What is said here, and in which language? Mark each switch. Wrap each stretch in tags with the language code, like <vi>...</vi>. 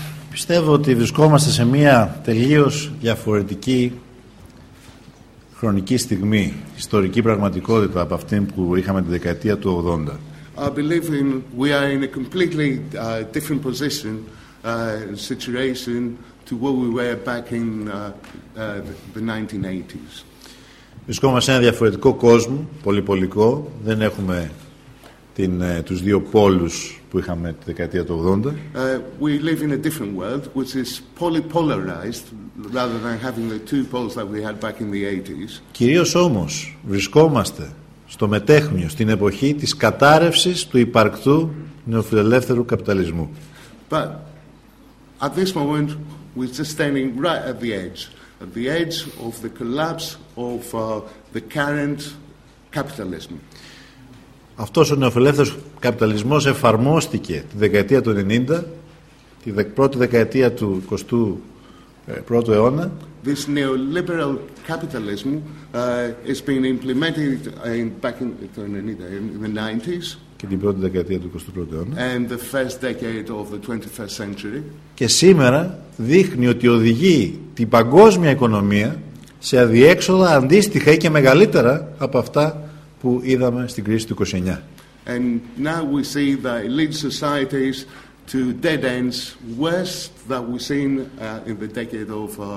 <el>Πιστεύω ότι βρισκόμαστε σε μια τελείως διαφορετική χρονική στιγμή, ιστορική πραγματικότητα από αυτήν που είχαμε τη δεκαετία του 80.</el> <en>I believe we are in a completely different position situation to where we were back in the 1980s.</en> <el>Βρισκόμαστε σε ένα διαφορετικό κόσμο, πολυπολικό. Δεν έχουμε τους δύο πόλους που είχαμε τη δεκαετία του 80.</el> <en>We live in a different world, which is polypolarized, rather than having the two poles that we had back in the 80s.</en> <el>Κυρίως όμως βρισκόμαστε στο μετέχμιο, στην εποχή της κατάρρευσης του υπαρκτού νεοφιλελεύθερου καπιταλισμού.</el> <en>But at this moment, we're just standing right at the edge. At the edge of the collapse of the current capitalism.</en> <el>Αυτός ο νεοφιλελεύθερος καπιταλισμός εφαρμόστηκε τη δεκαετία του 90, τη πρώτη δεκαετία του 21ου αιώνα.</el> <en>This neoliberal capitalism has been implemented back in the 90s.</en> <el>Και την πρώτη δεκαετία του 21ου αιώνα.</el> <en>And the first decade of the 21st century.</en> <el>Και σήμερα δείχνει ότι οδηγεί την παγκόσμια οικονομία σε αδιέξοδα αντίστοιχα ή και μεγαλύτερα από αυτά που είδαμε στην κρίση του 29.</el> <en>And now we see that it leads societies to dead ends worse than we've seen in the decade of</en>